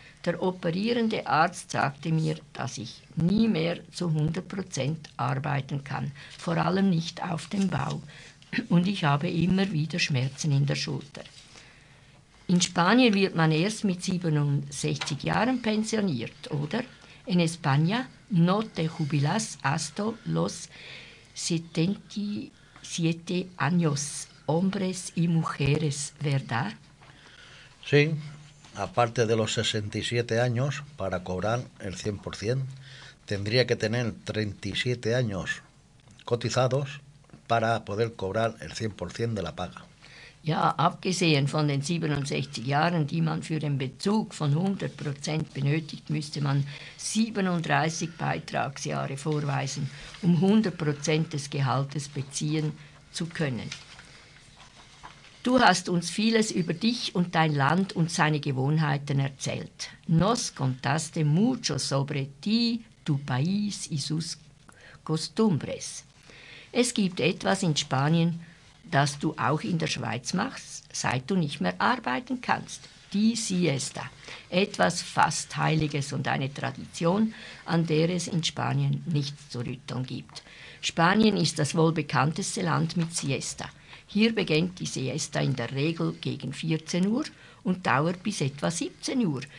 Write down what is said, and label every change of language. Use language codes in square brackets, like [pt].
[de] Der operierende Arzt sagte mir, dass ich nie mehr zu 100% arbeiten kann, vor allem nicht auf dem Bau. Und ich habe immer wieder Schmerzen in der Schulter. In Spanien wird man erst mit 67 Jahren pensioniert, oder? [es] En España no te jubilas hasta los 77 años, hombres y mujeres, ¿verdad? Sí, aparte de los 67 años, para cobrar el 100%, tendría que tener 37 años cotizados para poder cobrar el 100% de la paga. [de] Ja, abgesehen von den 67 Jahren, die man für den Bezug von 100% benötigt, müsste man 37 Beitragsjahre vorweisen, um 100% des Gehaltes beziehen zu können. Du hast uns vieles über dich und dein Land und seine Gewohnheiten erzählt. [es] Nos contaste mucho sobre ti, tu país y sus costumbres. [de] Es gibt etwas in Spanien, das du auch in der Schweiz machst, seit du nicht mehr arbeiten kannst. Die Siesta. Etwas fast Heiliges und eine Tradition, an der es in Spanien nichts zu rütteln gibt. Spanien ist das wohl bekannteste Land mit Siesta. Hier beginnt die Siesta in der Regel gegen 14 Uhr und dauert bis etwa 17 Uhr.